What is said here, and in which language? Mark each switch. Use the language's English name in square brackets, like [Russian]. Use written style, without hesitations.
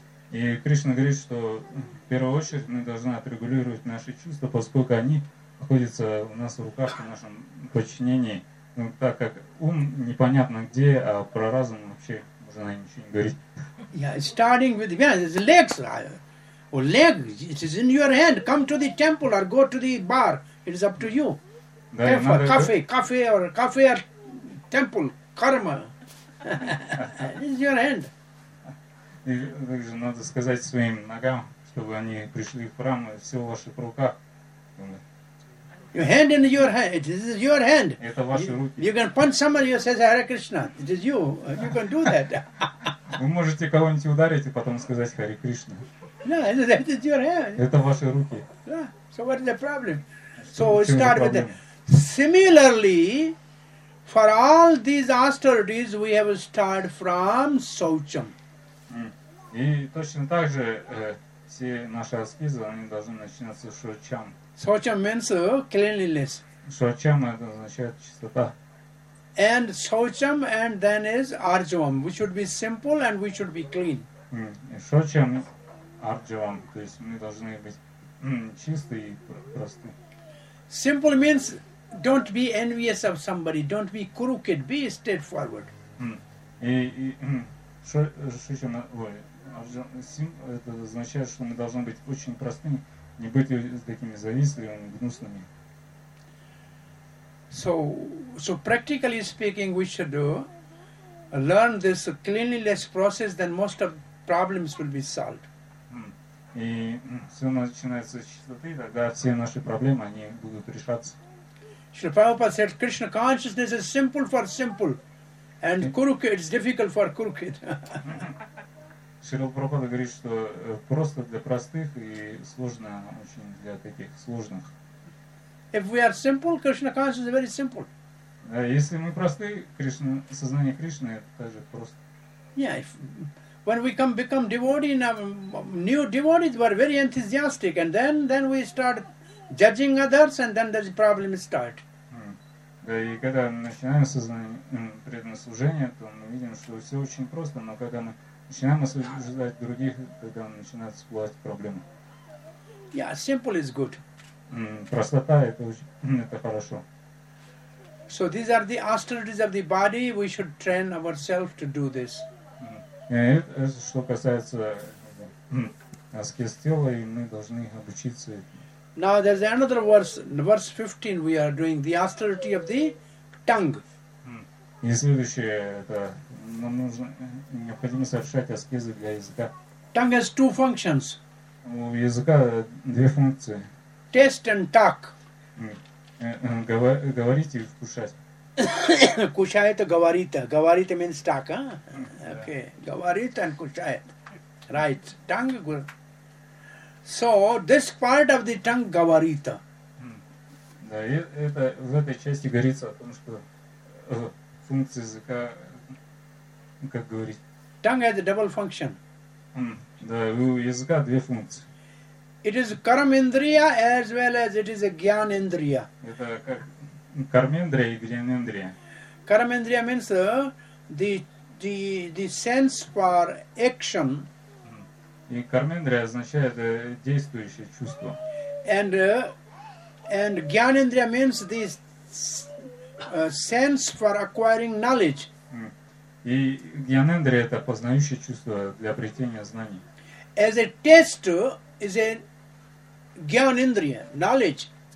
[Russian] И Кришна говорит, что в первую очередь мы должны отрегулировать наши чувства, поскольку они находятся у нас в руках, в нашем подчинении. Ну, так как ум непонятно где, а про разум вообще можно ничего не говорить. [English] Yeah, starting with the legs. Leg, it is in your hand. Come to the temple or go to the bar. It is up to you. [Russian] Да, надо... [English] Cafe or temple, karma. is your hand. [Russian] И также надо сказать своим ногам, чтобы они пришли в храм, и все в ваших руках. [English] Your hand in your hand. This is your hand. [Russian] Это ваши руки. [English] You can punch somebody who says Hare Krishna. It is you. You can do that. [Russian] Вы можете кого-нибудь ударить и потом сказать Hare Krishna. [English] No, that is your hand. [Russian] Это ваши руки. [English] Yeah. So what is the problem? So we start with that. Similarly, for all these austerities, we have started from Saucham. [Russian] И точно так же все наши аскезы, они должны начинаться с Шочам. [English] Шочам means cleanliness. [Russian] Шочам это означает чистота. [English] And Шочам and then is Арджавам. We should be simple and we should be clean. [Sanskrit] Шочам, Арджавам. [Russian] То есть мы должны быть чистые и простые. [English] Simple means don't be envious of somebody. Don't be crooked. Be straightforward. [Russian] Это означает, что мы должны быть очень простыми, не быть такими завистливыми, гнусными. [English] So practically speaking, we should learn this cleanliness process, then most of problems will be solved. [Russian] И все начинается с чистоты, тогда все наши проблемы они будут решаться. [English] Шри Прабхупада said, Krishna consciousness is simple for simple, and crooked is difficult for crooked. [Russian] Шрила Прабхупада говорит, что просто для простых и сложно очень для таких сложных. [English] If we are simple, Krishna consciousness is very simple. [Russian] Да, если мы просты, Кришна, сознание Кришны это также просто. [English] Yeah, when we become devotee, new devotees were very enthusiastic, and then we start judging others, and then there's problem start. [Russian] Да, и когда мы начинаем сознание преданное служение, то мы видим, что все очень просто, но когда мы начинаем осуждать других, когда начинают всплывать проблемы. [English] Yeah, simple is good. [Russian] Простота это хорошо. [English] So these are the austerities of the body. We should train ourselves to do this. [Russian] Это что касается аскез тела, и мы должны обучиться этому. [English] Now there's another verse 15 we are doing, the austerity of the tongue. [Russian] И следующее, это нам необходимо совершать аскезы для языка. [English] Tongue has two functions. [Russian] У языка две функции. [English] Taste and talk. [Russian] Говорить и вкушать. Кушает и говорит. Говорит [English] means talk. Okay. [Russian] Говорит and кушает. [English] Right. Tongue good. So, this part of the tongue [Russian] говорит. Да, это в этой части говорится о том, что функция языка, как говорить. [English] Tongue has a double function. [Russian] Да, у языка две функции. [English] It is карм-индрия as well as it is a гьян-индрия. [Russian] Это как карм-индрия и гьян-индрия. [English] Карм-индрия means the sense for action. [Russian] И карм-индрия означает действующее чувство. [English] And гьян-индрия means the sense for acquiring knowledge. [Russian] И гьянендрия это познающее чувство для обретения знаний. [English] As a taste is a гьянендрия, knowledge.